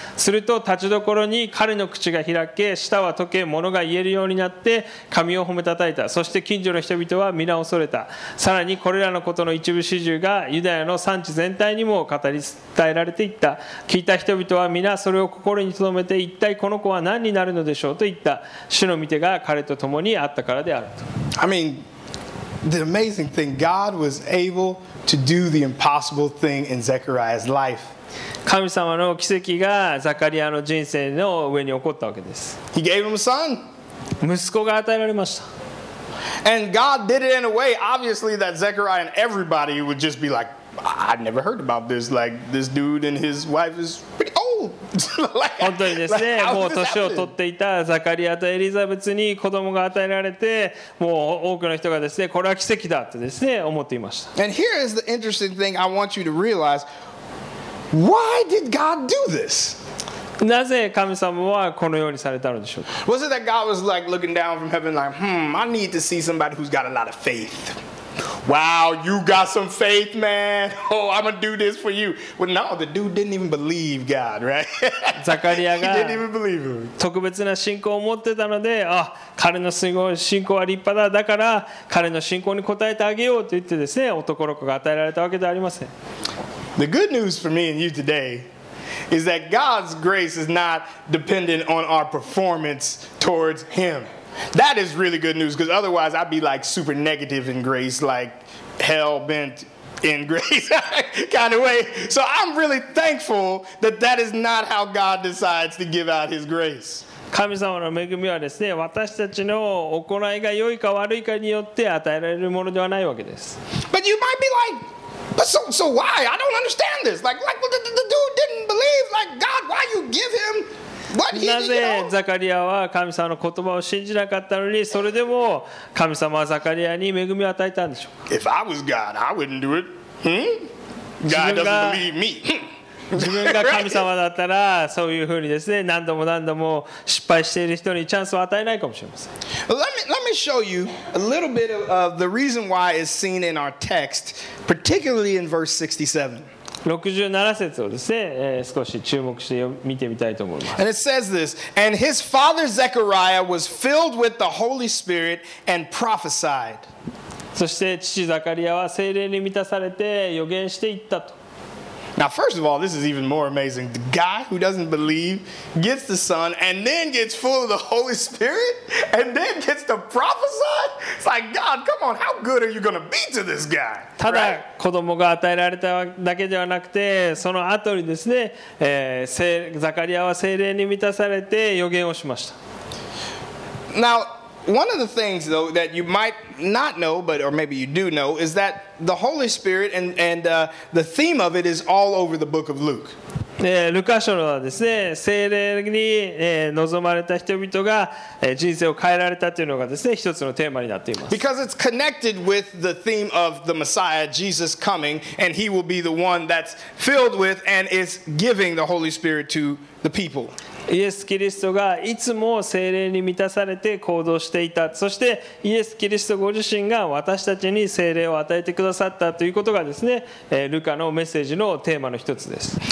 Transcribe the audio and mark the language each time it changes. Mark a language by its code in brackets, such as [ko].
[ja] すると立ちどころに彼の口が開け、舌は溶け、物が言えるようになって、神を褒めたたえた。そして近所の人々は皆恐れた。さらにこれらのことの一部始終がユダヤの産地全体にも語り伝えられていった。聞いた人々は皆それを心に留めて、一体この子は何になるのでしょうと言った。主の御手が彼と共にあったからであると。 [en] I mean, the amazing thing, God was able to do the impossible thing in Zechariah's life. [ja] 神様の奇跡がザカリアの人生の上に起こったわけです。 [en] He gave him a son. [ja] 息子が与えられました。 [en] And God did it in a way, obviously, that Zechariah and everybody would just be like, I never heard about this. Like, this dude and his wife is pretty old. [ja] 本当にですね、もう年を取っていたザカリアとエリザベツに子供が与えられて、もう多くの人がですね、これは奇跡だってですね、思っていました。 [en] And here is the interesting thing I want you to realize. Why did God do this? [ja] なぜ神様はこのようにされたのでしょうか。 [en] Was it that God was like looking down from heaven like, I need to see somebody who's got a lot of faith? wow, you got some faith, man. Oh, I'm going to do this for you. But no, the dude didn't even believe God, right? Zachariah didn't even believe him. [ja] 特別な信仰を持ってたので、あ、彼のすごい信仰は立派だ。だから彼の信仰に応えてあげようと言ってですね、男の子が与えられたわけではありません。 [en] The good news for me and you today is that God's grace is not dependent on our performance towards Him. That is really good news, because otherwise I'd be like super negative in grace, like hell bent in grace kind of way. So I'm really thankful that that is not how God decides to give out His grace. [ja] 神様の恵みはですね、私たちの行いが良いか悪いかによって与えられるものではないわけです。 [en] But you might be like,But so why? I don't understand this. Like well, the dude didn't believe. Like, God, why you give him what he needs? Why did Zachariah not believe in God's word? But still, God gave him the grace to give him what he needed. If I was God, I wouldn't do it. God doesn't believe me. [ja] 自分が神様だったらそういうふうにですね、何度も何度も失敗している人にチャンスを与えないかもしれません。 [en] Let me show you a little bit of the reason why it's seen in our text, particularly in verse 67. [ja] 67節をですね、少し注目して見てみたいと思います。 [en] And it says this, and his father Zechariah was filled with the Holy Spirit and prophesied. [ja] そして父ザカリアは聖霊に満たされて予言していったと。 [en] Now, first of all, this is even more amazing. The guy who doesn't believe gets the son and then gets full of the Holy Spirit and then gets to prophesy. It's like, God, come on, how good are you going to be to this guy? [ja] ただ子供が与えられただけではなくて、その後にですね、ザカリアは聖霊に満たされて予言をしました。 [en] Now, one of the things, though, that you might not know, but or maybe you do know, is that the Holy Spirit and the theme of it is all over the book of Luke. [ja] ルカ書はですね、聖霊に望まれた人々が人生を変えられたというのがですね、一つのテーマになっています。 [en] Because it's connected with the theme of the Messiah, Jesus coming, and he will be the one that's filled with and is giving the Holy Spirit to the people. [ja] イエス・キリストがいつも聖霊に満たされて行動していた。そしてイエス・キリストご自身が私たちに聖霊を与えてくださったということがですね、ルカのメッセージのテーマの一つです。